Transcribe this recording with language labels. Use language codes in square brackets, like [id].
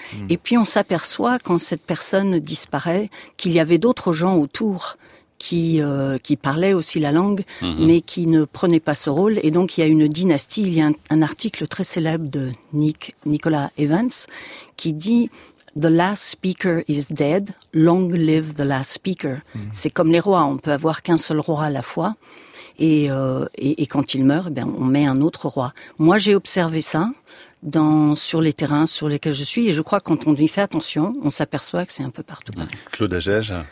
[fr] Mmh. Et puis on s'aperçoit, quand cette personne disparaît, qu'il y avait d'autres gens autour qui parlaient aussi la langue, mmh, mais qui ne prenaient pas ce rôle. Et donc il y a une dynastie, il y a un article très célèbre de Nicolas Evans qui dit... [en] The last speaker is dead. Long live the last speaker. Mmh. [fr] C'est comme les rois. On peut avoir qu'un seul roi à la fois. Et quand il meurt, eh bien, on met un autre roi. Moi, j'ai observé ça sur les terrains sur lesquels je suis. Et je crois que quand on y fait attention, on s'aperçoit que c'est un peu partout. Mmh. Claude Agege.